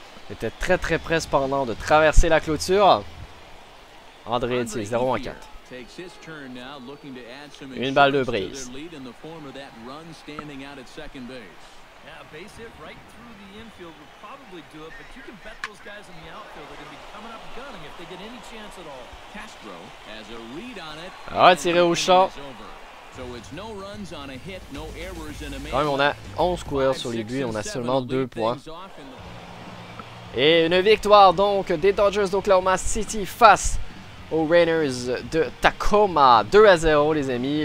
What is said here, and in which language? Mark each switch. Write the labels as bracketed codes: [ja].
[fr] Était très très près cependant de traverser la clôture. André Etier, 0 en 4. [en] Takes his turn now, looking to add some insurance. [fr] Une balle de brise. [en] To their lead in the form of that run standing out at second base. Yeah, base hit right through the infield would probably do it, but you can bet those guys in the outfield are going to be coming up gunning if they get any chance at all. Castro has a read on it. [fr] Retiré au champ. [en] So it's no runs on a hit, no errors in a main. [fr] Quand même, on a 11 coureurs sur les buts, on a seulement 2 points. Et une victoire donc des Dodgers d'Oklahoma City face aux Rainers de Tacoma, 2-0 les amis.